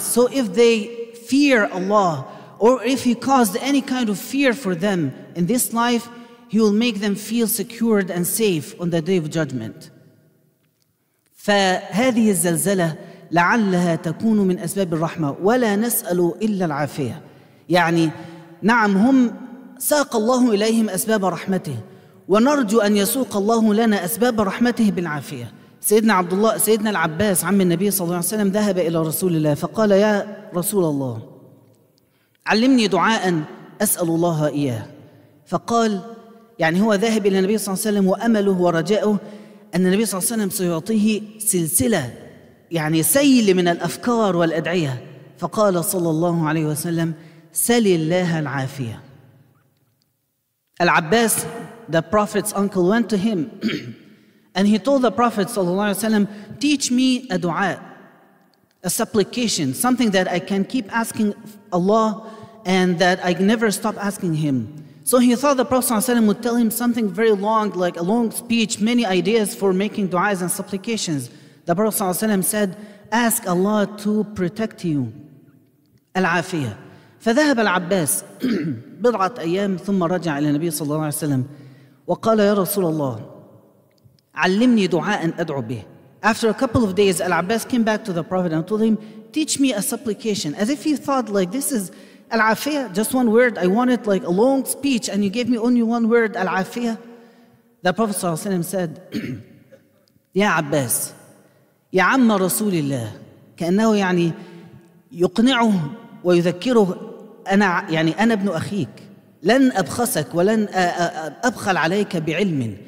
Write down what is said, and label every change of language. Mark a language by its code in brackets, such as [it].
[en] So if they fear Allah, or if he caused any kind of fear for them in this life, he will make them feel secured and safe on the Day of Judgment. [ar] فهذه الزلزلة لعلها تكون من أسباب الرحمة ولا نسأل إلا العافية. يعني نعم هم ساق الله إليهم أسباب رحمته ونرجو أن يسوق الله لنا أسباب رحمته بالعافية. سيدنا عبد الله سيدنا العباس عم النبي صلى الله عليه وسلم ذهب إلى رسول الله فقال يا رسول الله علمني دعاء أسأل الله إياه. فقال يعني هو ذاهب إلى النبي صلى الله عليه وسلم وأمله ورجاؤه أن النبي صلى الله عليه وسلم سيعطيه سلسلة يعني سيل من الأفكار والأدعية. فقال صلى الله عليه وسلم سل الله العافية. [en] العباس the prophet's uncle went to him and he told the prophet [ar] صلى الله عليه وسلم [en] teach me a دعاء, a supplication, something that I can keep asking Allah and that I never stop asking him. So he thought the Prophet ﷺ would tell him something very long, like a long speech, many ideas for making du'as and supplications. The Prophet ﷺ said, ask Allah to protect you. [ar] العافية. فذهب العباس بضعة أيام ثم رجع إلى النبي صلى الله عليه وسلم وقال يا رسول الله علمني دعاء أدعو به. [en] After a couple of days, العباس came back to the Prophet and told him, teach me a supplication. As if he thought like this is العافية, just one word, I want it like a long speech and you gave me only one word, العافية. The Prophet [ar] صلى الله عليه وسلم [en] said, [ar] يا عباس يا عم رسول الله, كأنه يعني يقنعه ويذكره أنا يعني أنا ابن أخيك, لن أبخسك ولن أبخل عليك بعلم.